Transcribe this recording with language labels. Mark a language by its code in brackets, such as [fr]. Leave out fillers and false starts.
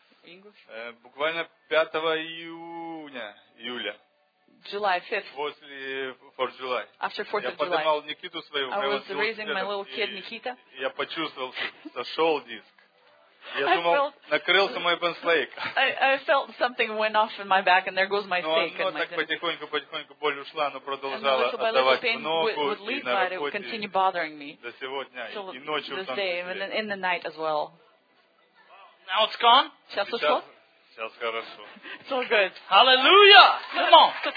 [en] English? [ru] Буквально 5 июня. Июля. [en] July 5th. [ru] После 4 [en] July. After 4th [ru] я [en] of July. [ru] Я поднимал Никиту своего. [en] I was raising my little kid, Nikita. [ru] Я почувствовал, что сошел диск. Я думал, накрылся мой бенслейк. [en] I felt something went off in my back, and there goes my stake. [ru] Но так потихоньку-потихоньку боль ушла, но продолжала отдавать ногу, и на работе до сегодня, и ночью в том [en] числе. In the night as well. Now it's gone? [ru] Сейчас ушло? Сейчас хорошо. [en] It's all good. Hallelujah! Come on!